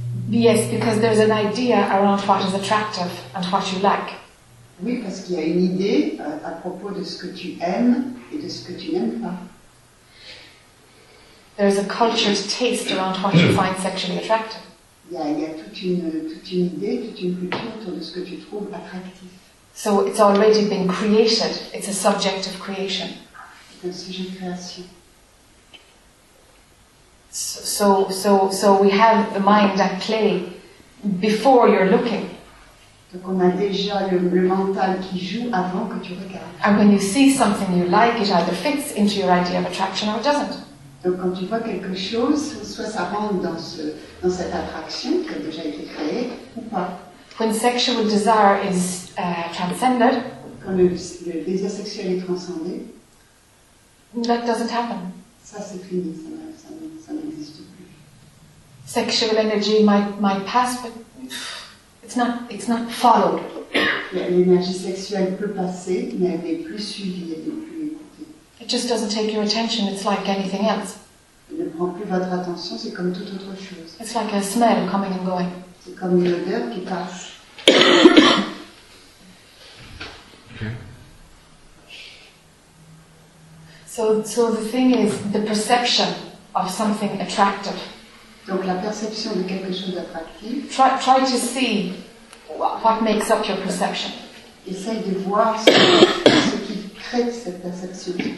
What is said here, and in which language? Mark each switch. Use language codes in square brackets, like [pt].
[en] Yes, because there's an idea around what is attractive and what you like. [fr] Oui, parce qu'il y a une idée à propos de ce que tu aimes et de ce que tu n'aimes pas. [en] There's a cultured taste around what you find sexually attractive. [fr] Il y a toute une idée, toute une culture autour de ce que tu trouves attractif. [en] So it's already been created. It's a subject of creation. [fr] C'est un sujet de création. [en] So we have the mind at play before you're looking. [fr] Donc on a déjà le mental qui joue avant que tu regardes. [en] And when you see something you like, it either fits into your idea of attraction or it doesn't. [fr] Donc quand tu vois quelque chose, soit ça rentre dans cette attraction qui a déjà été créée, ou pas. [en] When sexual desire is transcended, [fr] quand le désir sexuel est transcendé, [en] that doesn't happen. [fr] Ça c'est fini, ça n'existe plus. [en] Sexual energy might pass, but it's not followed. [fr] L'énergie sexuelle peut passer, mais elle n'est plus suivie, elle n'est plus écoutée. [en] It just doesn't take your attention. It's like anything else. [fr] Elle ne prend plus votre attention. C'est comme toute autre chose. [en] It's like a smell coming and going. [fr] C'est comme une odeur qui passe. [en] So the thing is the perception of something attractive. [fr] Donc la perception de quelque chose d'attractif. [en] Try to see what makes up your perception. [fr] Essaye de voir ce qui crée cette perception.